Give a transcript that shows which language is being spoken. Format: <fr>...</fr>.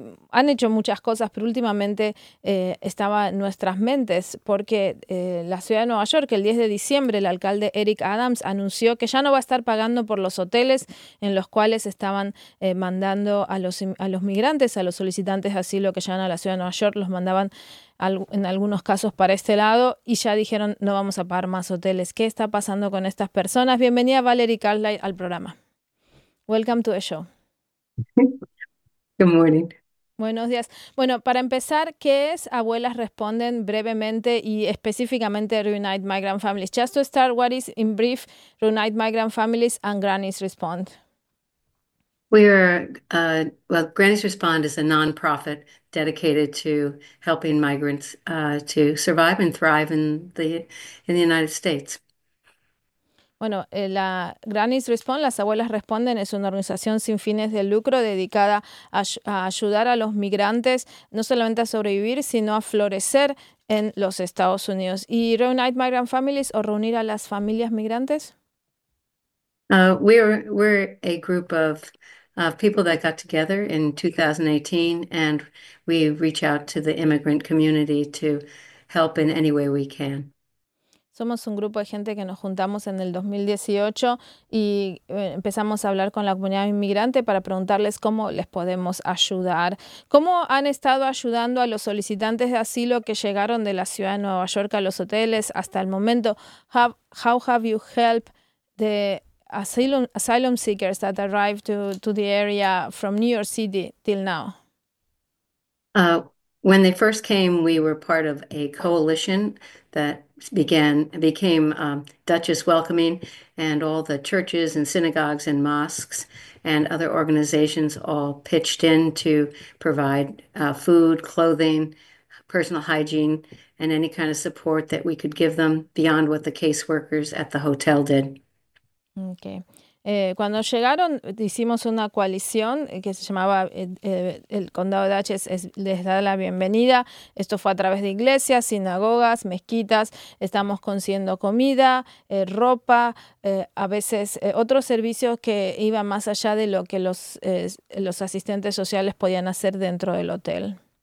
<es>Han hecho muchas cosas, pero últimamente estaba en nuestras mentes porque la ciudad de Nueva York, el 10 de diciembre, el alcalde Eric Adams anunció que ya no va a estar pagando por los hoteles en los cuales estaban mandando a los migrantes, a los solicitantes de asilo que llegan a la ciudad de Nueva York, los mandaban en algunos casos para este lado y ya dijeron no vamos a pagar más hoteles. ¿Qué está pasando con estas personas? Bienvenida Valerie Carlisle al programa.</es> <en>Welcome to the show. Good morning.</en> <es>Buenos días. Bueno, para empezar, ¿qué es Abuelas Responden brevemente y específicamente Reunite Migrant Families?</es> <en>Just to start, what is in brief Reunite Migrant Families and Grannies Respond? We are, Grannies Respond is a nonprofit dedicated to helping migrants to survive and thrive in the United States.</en> <es>Bueno, la Grannies Respond, las Abuelas Responden, es una organización sin fines de lucro dedicada a ayudar a los migrantes no solamente a sobrevivir, sino a florecer en los Estados Unidos. ¿Y Reunite Migrant Families o Reunir a las Familias Migrantes?</es> <en>We're a group of people that got together in 2018, and we reach out to the immigrant community to help in any way we can.</en> <es>Somos un grupo de gente que nos juntamos en el 2018 y empezamos a hablar con la comunidad inmigrante para preguntarles cómo les podemos ayudar. ¿Cómo han estado ayudando a los solicitantes de asilo que llegaron de la ciudad de Nueva York a los hoteles hasta el momento?</es> <en>How have you helped the asylum seekers that arrived to the area from New York City till now? When they first came, we were part of a coalition that became Dutchess Welcoming, and all the churches and synagogues and mosques and other organizations all pitched in to provide food, clothing, personal hygiene, and any kind of support that we could give them beyond what the caseworkers at the hotel did. Okay.</en> <es>Cuando llegaron, hicimos una coalición que se llamaba el Condado de Dutchess les da la bienvenida. Esto fue a través de iglesias, sinagogas, mezquitas. Estamos consiguiendo comida, ropa, a veces otros servicios que iban más allá de lo que los asistentes sociales podían hacer dentro del hotel.</es>